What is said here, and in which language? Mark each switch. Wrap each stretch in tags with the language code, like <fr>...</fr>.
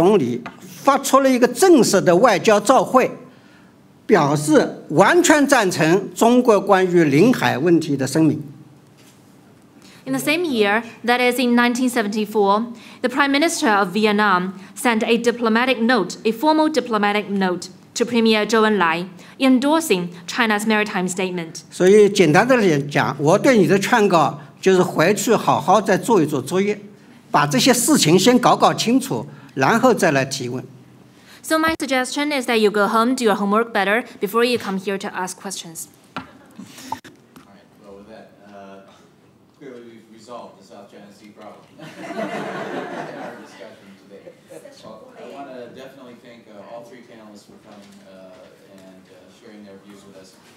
<zh>而且在同一年，越南的范文同总理专门给周恩来总理发出了一个正式的外交照会。</zh> <en>In the same year, that is in 1974, the Prime Minister of Vietnam sent a diplomatic note, a formal diplomatic note, to Premier Zhou Enlai, endorsing China's maritime statement.</en> <zh>所以简单的讲，我对你的劝告就是回去好好再做一做作业，把这些事情先搞搞清楚，然后再来提问。</zh> <en>So my suggestion is that you go home, do your homework better before you come here to ask questions. All right, well, with that, clearly we've resolved the South China Sea problem in our discussion today. Well, I want to definitely thank all three panelists for coming and sharing their views with us.</en>